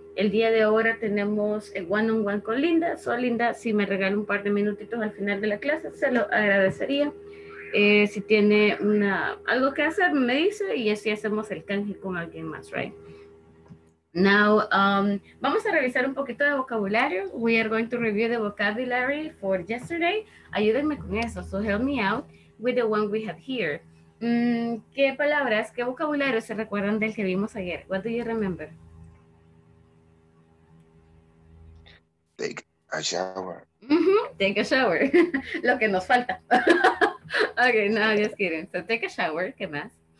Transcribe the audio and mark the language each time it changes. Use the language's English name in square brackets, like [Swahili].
[Spanish] El día de ahora tenemos el one-on-one con Linda. So, Linda, si me regala un par de minutitos al final de la clase, se lo agradecería. Si tiene una, algo que hacer, me dice, y así hacemos el canje con alguien más, right? Now, vamos a revisar un poquito de vocabulario. [English] We are going to review the vocabulary for yesterday. [Spanish] Ayúdenme con eso. [English] So, help me out with the one we have here. [Spanish] ¿Qué palabras, qué vocabulario se recuerdan del que vimos ayer? [English] What do you remember? Take a shower. Take a shower. [Spanish] Lo que nos falta. [English] Okay, no, just kidding. So take a shower. [Spanish] ¿Qué más?